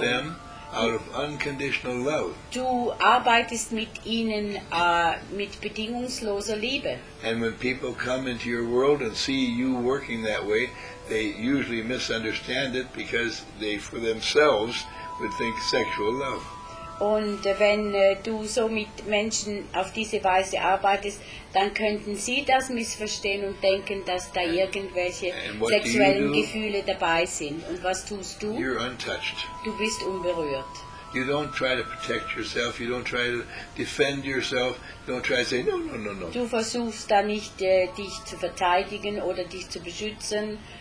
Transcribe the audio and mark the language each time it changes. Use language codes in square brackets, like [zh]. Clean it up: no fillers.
[en] With them out of unconditional love. [de] Du arbeitest mit ihnen mit bedingungsloser Liebe. [en] And when people come into your world and see you working that way, they usually misunderstand it because they, for themselves, would think sexual love. [de] Und wenn du so mit Menschen auf diese Weise arbeitest, dann könnten sie das missverstehen und denken, dass da irgendwelche sexuellen Gefühle dabei sind. Und was tust du? [en] You're untouched. [de] Du bist unberührt. [en] You don't try to protect yourself, you don't try to defend yourself, you don't try to say no, no, no, no. [de] Du versuchst da nicht, dich zu verteidigen oder dich zu beschützen.